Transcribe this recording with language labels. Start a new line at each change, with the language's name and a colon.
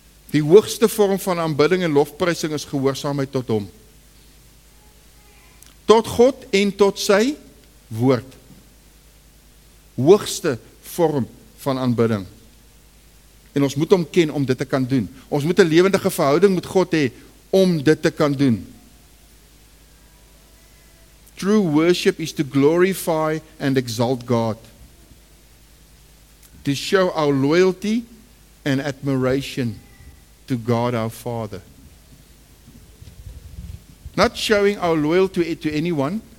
Afrikaans: Die hoogste vorm van aanbidding en lofprysing is gehoorsaamheid tot Hom. Tot God en tot sy woord. Hoogste vorm van aanbidding. En ons moet Hom ken om dit te kan doen. Ons moet 'n lewendige verhouding met God hê om dit te kan doen.
English: True worship is to glorify and exalt God. To show our loyalty and admiration to God our Father. Not showing our loyalty to anyone,